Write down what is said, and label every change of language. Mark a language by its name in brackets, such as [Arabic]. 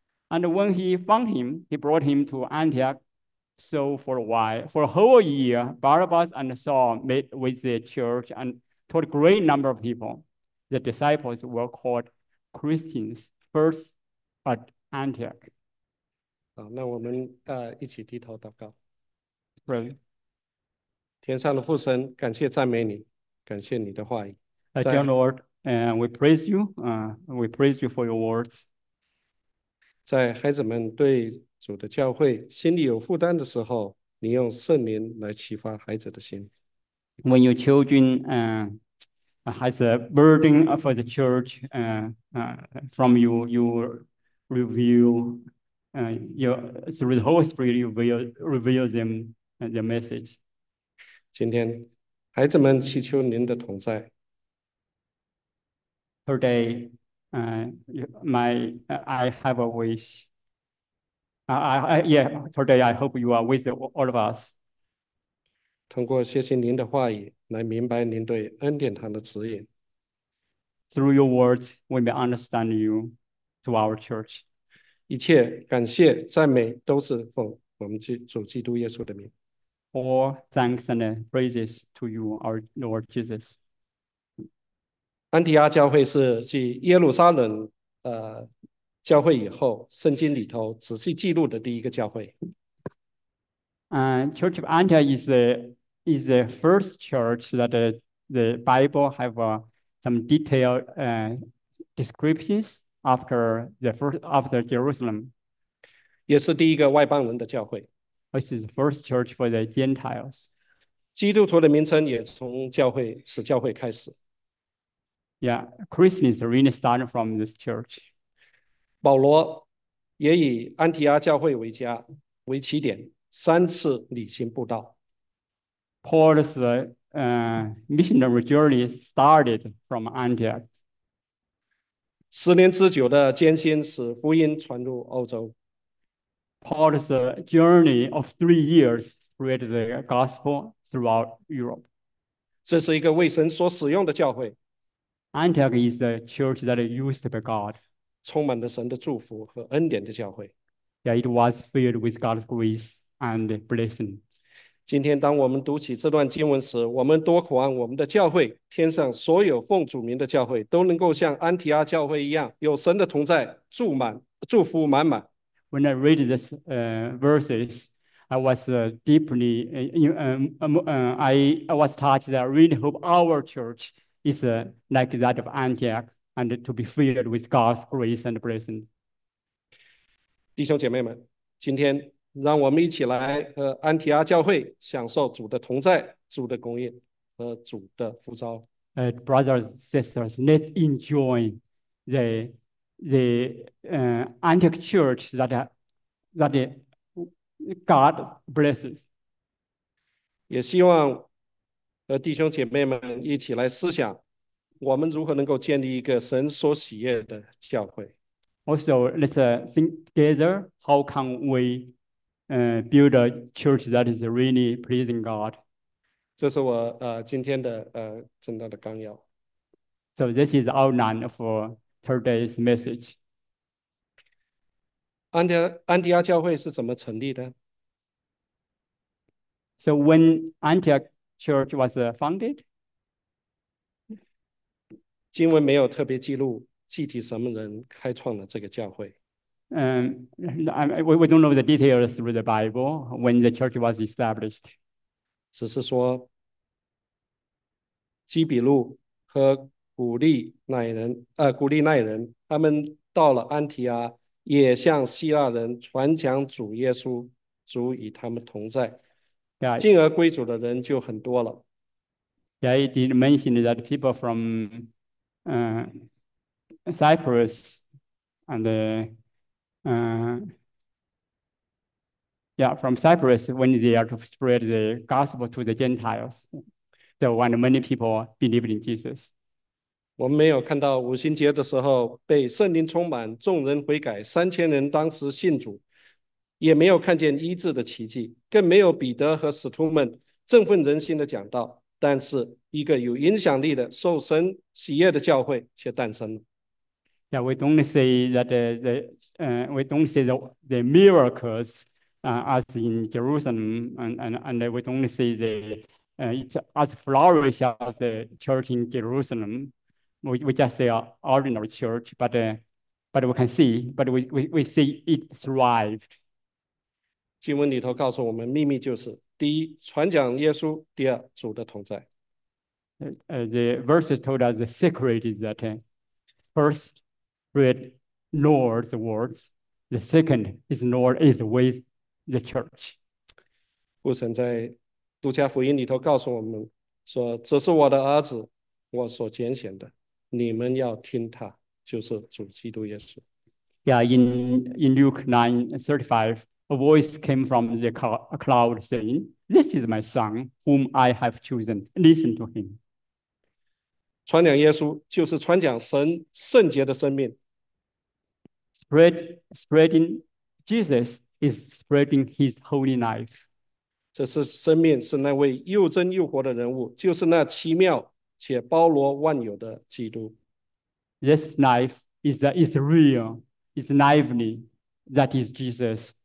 [English] And when he found him, he brought him to Antioch. So for a while, for a whole year, Barabbas and Saul met with the church and taught a great number of people. The disciples were called Christians first at Antioch. [Chinese] 好，那我们一起低头祷告。 [English] Right. [Chinese] 天上的父神，感谢赞美你，感谢你的话语， [English] Dear Lord, and we praise you. We praise you for your words. [Chinese] 在孩子们对主的教会心里有负担的时候，你用圣灵来启发孩子的心。 [English] When your children has a burden for the church, from you reveal through the Holy Spirit, you will reveal them the message. [Chinese] 今天，孩子们祈求您的同在。 [English] Today, I have a wish. Today I hope you are with all of us. [Chinese] 通过学习您的话语，来明白您对恩典堂的指引。 [English] Through your words, we may understand you to our church. [Chinese] 一切感谢赞美都是奉我们主基督耶稣的名。 [English] All thanks and praises to you, our Lord Jesus. [Chinese] 安提阿教会是继耶路撒冷教会以后，圣经里头仔细记录的第一个教会。 [English] Church of Antioch is the first church that the Bible have some detailed descriptions after Jerusalem. [Chinese] 也是第一个外邦人的教会。 [English] This is the first church for the Gentiles. [Chinese] 基督徒的名称也从此教会开始。 [English] Yeah, Christians really started from this church. [Chinese] 保罗也以安提阿教会为家，为起点，三次旅行布道。 [English] Paul's missionary journey started from Antioch. [Chinese] 10年之久的艰辛，使福音传入欧洲。 [English] Paul's journey of 3 years spread the gospel throughout Europe. [Chinese] 这是一个为神所使用的教会。 [English] Antioch is the church that is used by God. [Chinese] 充满了神的祝福和恩典的教会。 [English] Yeah, it was filled with God's grace and blessing. [Chinese] 今天，当我们读起这段经文时，我们多渴望我们的教会，天上所有奉主名的教会，都能够像安提阿教会一样，有神的同在，祝福满满。 [English] When I read these verses, I was deeply, I was touched that I really hope our church is like that of Antioch and to be filled with God's grace and blessing. [Chinese] 弟兄姐妹们，今天让我们一起来和安提阿教会享受主的同在、主的供应和主的呼召。 [English] Brothers, sisters, let's enjoy the Antioch Church that God blesses. [Chinese] 也希望和弟兄姐妹们一起来思想我们如何能够建立一个神所喜悦的教会。 [English] Also, let's think together. How can we build a church that is really pleasing God? [Chinese] 这是我今天的讲道的纲要。 [English] So this is outline for today's message. [Chinese] 安迪亚教会是怎么成立的？ [English] So when Antioch Church was founded, [Chinese] 经文没有特别记录具体什么人开创了这个教会。 [English] We don't know the details through the Bible when the church was established. [Chinese] 只是说基比路和古利奈人他们到了安提阿，也向希腊人传讲主耶稣，主与他们同在，进而归主的人就很多了。 [English] Yeah, it did mention that people from Cyprus and from Cyprus when they are to spread the gospel to the Gentiles. So when many people believed in Jesus. [Chinese] 我们没有看到五旬节的时候被圣灵充满，众人悔改，三千人当时信主，也没有看见医治的奇迹，更没有彼得和使徒们振奋人心的讲道，但是一个有影响力的受神喜悦的教会却诞生了。 [English] Yeah, we don't say that the miracles as in Jerusalem and we don't say the it's as flourish as the church in Jerusalem. We just say ordinary church, but we see it thrived. [Chinese] 经文里头告诉我们，秘密就是第一，传讲耶稣；第二，主的同在。 [English] The verses told us the secret is that first. Read Lord's words. The second is Lord is with the church. [Chinese] 父神在路加福音里头告诉我们说，这是我的儿子，我所拣选的，你们要听他，就是主基督耶稣。 [English] Yeah, in Luke 9:35, a voice came from the cloud saying, "This is my son, whom I have chosen. Listen to him." [Chinese] 传讲耶稣就是传讲神圣洁的生命。 [English] Spreading Jesus is spreading his holy life. [Chinese] 这是生命，是那位又真又活的人物，就是那奇妙且包罗万有的基督。 [English] This life is real, is lively, that is Jesus.